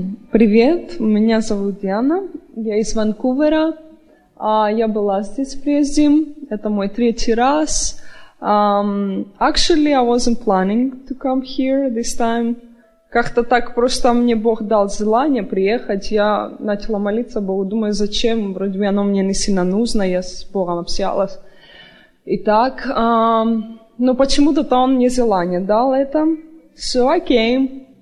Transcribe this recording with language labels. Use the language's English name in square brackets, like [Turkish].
[Russian] Привет, меня зовут Яна, я из Ванкувера. Я была здесь прежде, это мой третий раз. [English] Actually, I wasn't planning to come here this time. [Russian] Как-то так просто мне Бог дал желание приехать. Я начала молиться Богу, думаю, зачем? Вроде бы оно мне не сильно нужно, я с Богом общалась. Итак, но почему-то он мне желание дал это. [English] So I came.